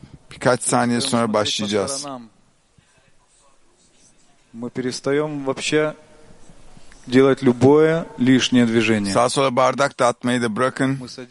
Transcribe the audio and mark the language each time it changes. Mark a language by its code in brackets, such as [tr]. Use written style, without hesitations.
[tr] Birkaç saniye sonra başlayacağız. [ru] Мы перестаём вообще делать любое лишнее движение. [tr] Sağ sola bardak dağıtmayı da bırakın.